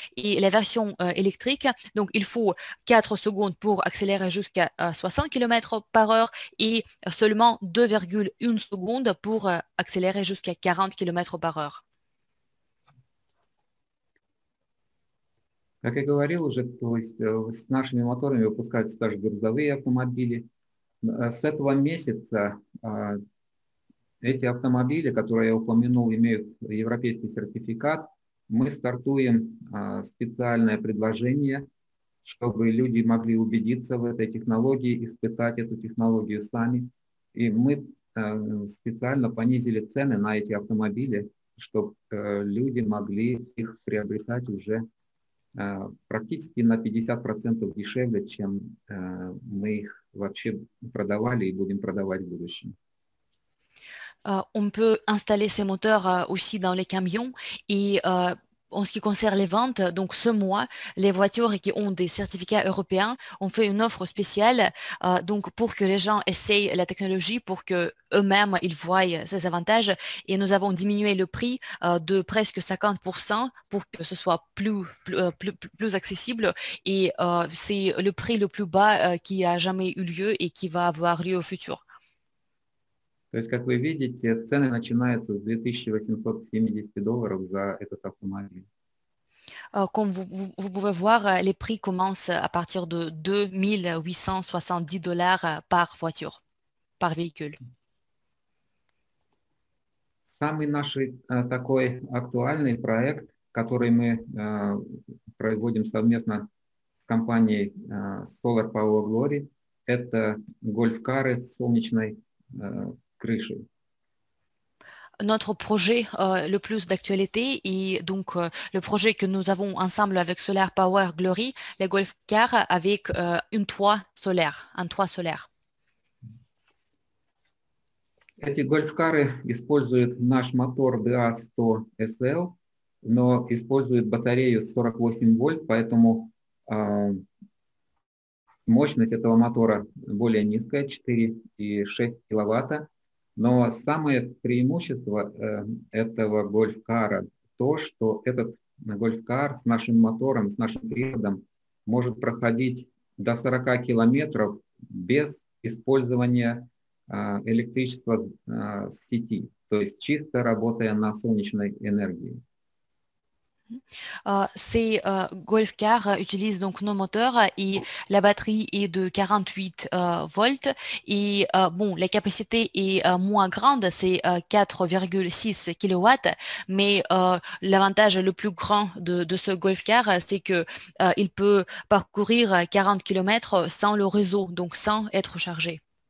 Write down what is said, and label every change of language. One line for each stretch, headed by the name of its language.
French: Et la version électrique, donc il faut 4 secondes pour accélérer jusqu'à 60 km/h et seulement 2,1 secondes pour accélérer jusqu'à 40 km/h.
Russian: Как я говорил уже, то есть с нашими моторами выпускаются даже грузовые автомобили. С этого месяца эти автомобили, которые я упомянул, имеют европейский сертификат. Мы стартуем специальное предложение, чтобы люди могли убедиться в этой технологии, испытать эту технологию сами. И мы специально понизили цены на эти автомобили, чтобы люди могли их приобретать уже практически на 50% дешевле, чем мы их вообще продавали и будем продавать в будущем.
French: On peut installer ces moteurs aussi dans les camions et en ce qui concerne les ventes, donc ce mois, les voitures qui ont des certificats européens ont fait une offre spéciale donc pour que les gens essayent la technologie, pour que eux-mêmes ils voient ces avantages. Et nous avons diminué le prix de presque 50% pour que ce soit plus accessible. Et c'est le prix le plus bas qui a jamais eu lieu et qui va avoir lieu au futur.
Russian: То есть, как вы видите, цены начинаются с 2870 долларов за этот автомобиль.
French: Comme vous pouvez voir, les prix commencent à partir de 2870 dollars par voiture, par véhicule.
Russian: Самый наш такой актуальный проект, который мы проводим совместно с компанией Solar Power Glory, это гольф-кары с солнечной крыши.
French: Notre projet le plus d'actualité et donc le projet que nous avons ensemble avec Solar Power Glory, les golf cars avec un toit solaire.
Russian: Эти гольф-кары используют наш мотор DA100 SL, но используют батарею 48 вольт, поэтому мощность этого мотора более низкая, 4,6 киловатта. Но самое преимущество этого гольф-кара то, что этот гольф-кар с нашим мотором, с нашим приводом может проходить до 40 километров без использования электричества с сети, то есть чисто работая на солнечной энергии.
French: Ces golf cars utilisent donc nos moteurs et la batterie est de 48 volts et bon, la capacité est moins grande, c'est 4,6 kW, mais l'avantage le plus grand de ce golf car, c'est qu'il peut parcourir 40 km sans le réseau, donc sans être chargé.